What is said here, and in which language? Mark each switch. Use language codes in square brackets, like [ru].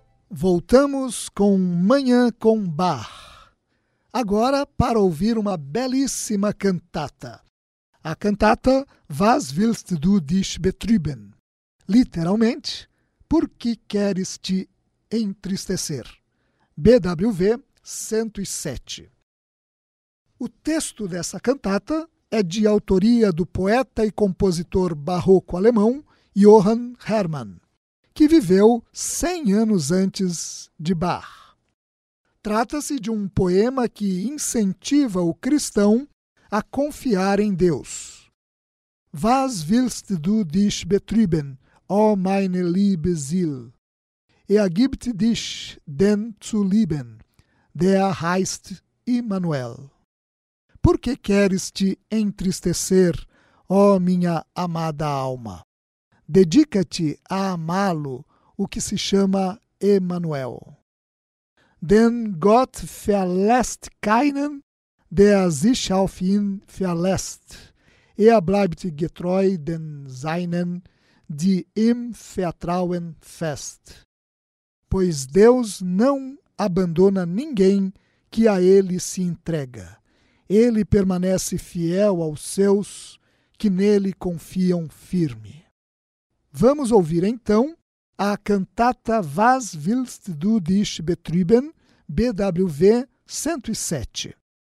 [pt] Voltamos com Manhã com Bar. Agora, para ouvir uma belíssima cantata. A cantata [de] Was willst du dich betrüben? [pt] Literalmente, Por que queres te entristecer? BWV 107. O texto dessa cantata é de autoria do poeta e compositor barroco alemão Johann Hermann, que viveu 100 anos antes de Bach. Trata-se de um poema que incentiva o cristão a confiar em Deus. [de] Was willst du dich betrüben, o meine liebe Seel? Er gibt dich denn zu lieben, der heißt Immanuel. [pt] Por que queres te entristecer, ó minha amada alma? Dedica-te a amá-lo, o que se chama Emmanuel. [de] Denn Gott verlässt keinen, der sich auf ihn verlässt. Er bleibt getreu den seinen, die ihm vertrauen fest. [pt] Pois Deus não abandona ninguém que a ele se entrega. Ele permanece fiel aos seus que nele confiam firme. Vamos ouvir então a cantata [de] Was willst du dich betrüben, [pt] BWV 107.